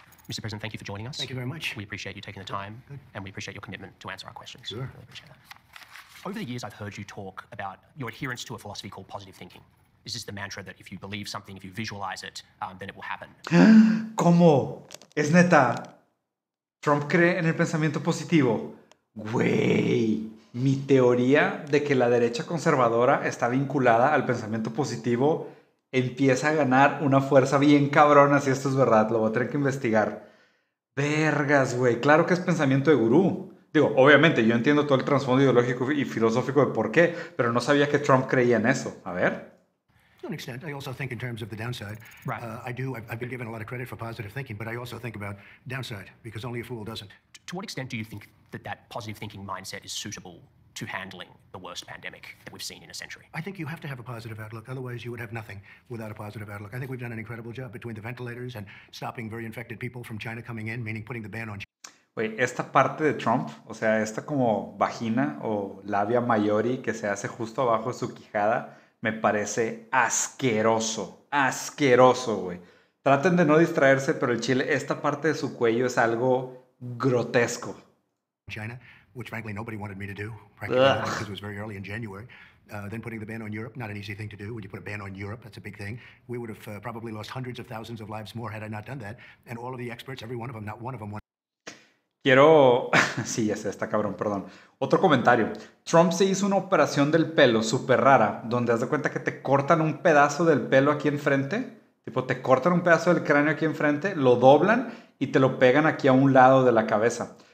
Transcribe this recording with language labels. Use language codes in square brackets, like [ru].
[en] Mr. President, thank you for joining us. Thank you very much. We appreciate you taking the time, good. And we appreciate your commitment to answer our questions. Sure. Really appreciate that. Over the years, I've heard you talk about your adherence to a philosophy called positive thinking. This is the mantra that if you believe something, if you visualize it, then it will happen. [es] ¿Cómo? ¿Es neta? ¿Trump cree en el pensamiento positivo? Güey, mi teoría de que la derecha conservadora está vinculada al pensamiento positivo empieza a ganar una fuerza bien cabrona, si esto es verdad, lo voy a tener que investigar. Vergas, güey, claro que es pensamiento de gurú. Digo, obviamente, yo entiendo todo el trasfondo ideológico y filosófico de por qué, pero no sabía que Trump creía en eso. A ver. [en] To an extent, I also think in terms of the downside. Right. I've been given a lot of credit for positive thinking, but I also think about downside, because only a fool doesn't. To what extent do you think that positive thinking mindset is suitable to handling the worst pandemic that we've seen in a century? I think you have to have a positive outlook, otherwise you would have nothing without a positive outlook. I think we've done an incredible job between the ventilators and stopping very infected people from China coming in, meaning putting the ban on China. [es] Güey, esta parte de Trump, o sea, esta como vagina o labia majori que se hace justo abajo de su quijada, me parece asqueroso, asqueroso, güey. Traten de no distraerse, pero el chile, esta parte de su cuello es algo grotesco. [en] China, which frankly nobody wanted me to do, practically because it was very early in January. Then putting the ban on Europe, not an easy thing to do. When you put a ban on Europe, that's a big thing. We would have probably lost hundreds of thousands of lives more had I not done that. And all of the experts, every one of them, not one of them wanted. [es] Quiero... Sí, ya sé, está cabrón, perdón. Otro comentario. Trump se hizo una operación del pelo súper rara, donde haz de cuenta que te cortan un pedazo del pelo aquí enfrente. Tipo, te cortan un pedazo del cráneo aquí enfrente, lo doblan y te lo pegan aquí a un lado de la cabeza.